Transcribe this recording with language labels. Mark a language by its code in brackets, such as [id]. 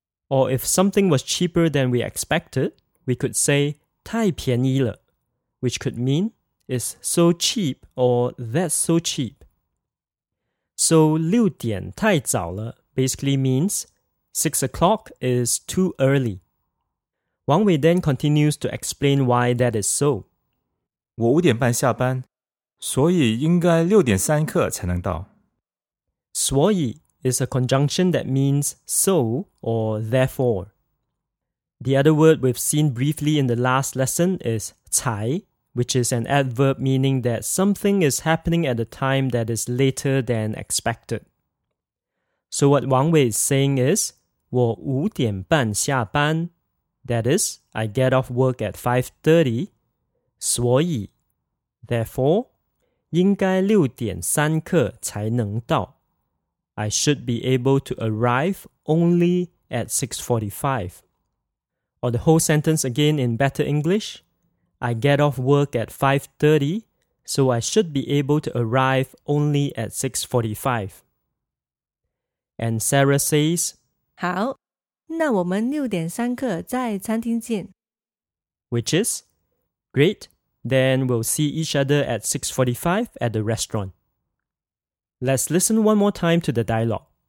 [en] Or if something was cheaper than we expected, we could say [zh] 太便宜了, [en] which could mean it's so cheap or that's so cheap. So [zh] 6点太早了 [en] basically means 6 o'clock is too early. Wang Wei then continues to explain why that is so. [zh] 我5点半下班, 所以应该6点3刻才能到. [en] 所以 is a conjunction that means so or therefore. The other word we've seen briefly in the last lesson is 才, which is an adverb meaning that something is happening at a time that is later than expected. So what Wang Wei is saying is, [zh] 我5点半下班, [en] that is, I get off work at 5:30, 所以, therefore, [zh] 应该6点3刻才能到, [en] I should be able to arrive only at 6:45. Or the whole sentence again in better English, I get off work at 5:30, so I should be able to arrive only at 6:45. And Sarah says, [zh] 好,那我们6点3刻在餐厅见. [en] Which is, great, then we'll see each other at 6:45 at the restaurant. Let's listen one more time to the dialogue.